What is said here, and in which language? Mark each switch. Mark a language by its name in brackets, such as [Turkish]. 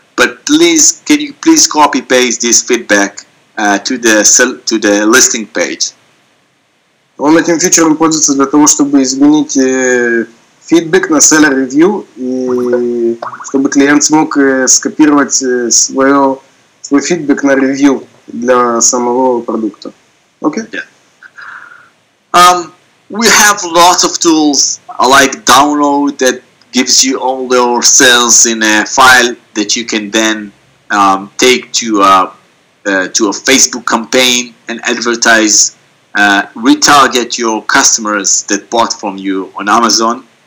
[English] But please, can you please copy paste this feedback to the listing page? [Russian] Он этим фичером пользуется для того, чтобы изменить фидбэк на seller review и чтобы клиент смог скопировать свой фидбэк на review для самого продукта. [English] Okay? Yeah. We have lots of tools like download that gives you all your sales in a file that you can then take to a Facebook campaign and advertise, retarget your customers that bought from you on Amazon.